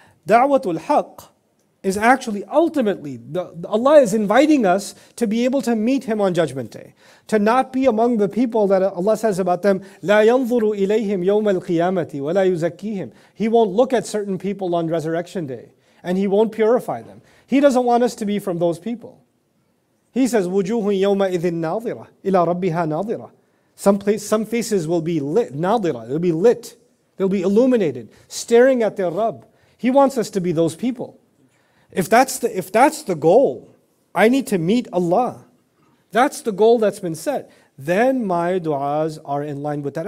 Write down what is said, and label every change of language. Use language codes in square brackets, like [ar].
[en] Da'watul haqq is actually ultimately, Allah is inviting us to be able to meet Him on Judgment Day. To not be among the people that Allah says about them, [ar] لَا يَنْظُرُ إِلَيْهِمْ يَوْمَ الْقِيَامَةِ وَلَا يُزَكِّيهِمْ. [en] He won't look at certain people on Resurrection Day, and He won't purify them. He doesn't want us to be from those people. He says, [ar] وُجُوهٌ يَوْمَئِذٍ نَاظِرَةٌ إِلَىٰ رَبِّهَا نَاظِرَةٌ. [en] Some faces will be lit, نَاظِرَةٌ, they'll be lit. They'll be illuminated, staring at their Rabb. He wants us to be those people. If that's the goal, I need to meet Allah. That's the goal that's been set. Then my du'as are in line with that.